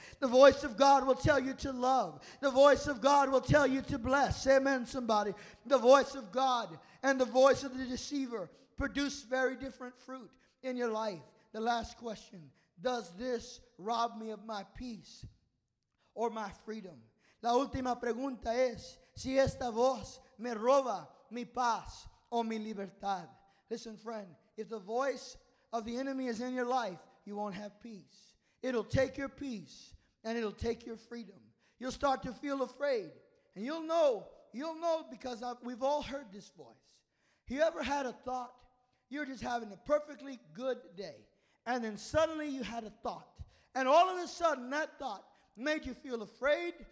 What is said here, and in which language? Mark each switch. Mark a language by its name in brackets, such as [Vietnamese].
[English] The voice of God will tell you to love. The voice of God will tell you to bless. Say amen, somebody. The voice of God and the voice of the deceiver produce very different fruit in your life. The last question, does this rob me of my peace or my freedom? [Spanish] La última pregunta es, si esta voz me roba mi paz o mi libertad. [English] Listen, friend. If the voice of the enemy is in your life, you won't have peace. It'll take your peace, and it'll take your freedom. You'll start to feel afraid, and you'll know because we've all heard this voice. You ever had a thought? You're just having a perfectly good day, and then suddenly you had a thought, and all of a sudden that thought made you feel afraid.